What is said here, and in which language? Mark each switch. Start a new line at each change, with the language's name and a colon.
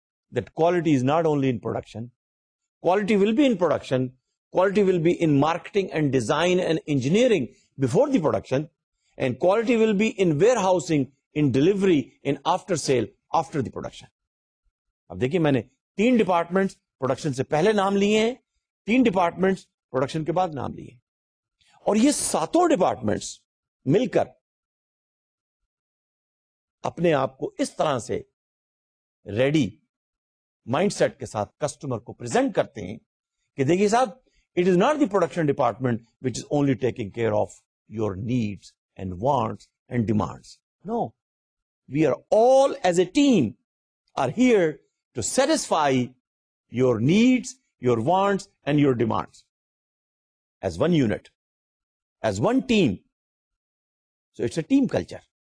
English: That quality is not only in production. Quality will be in production. Quality will be in marketing and design and engineering before the production. And quality will be in warehousing, in delivery, in after sale, after the production.
Urdu: اب دیکھیے میں نے تین departments production سے پہلے نام لیے ہیں, تین ڈپارٹمنٹس پروڈکشن کے بعد نام لیے, اور یہ ساتوں ڈپارٹمنٹس مل کر اپنے آپ کو اس طرح سے ریڈی مائنڈ سیٹ کے ساتھ کسٹمر کو پریزنٹ کرتے ہیں کہ دیکھیے صاحب,
English: It is not the production department which is only taking care of your needs and wants and demands. No, we are all as a team are here to satisfy your needs, your wants and your demands as one unit, as one team. So it's a team culture.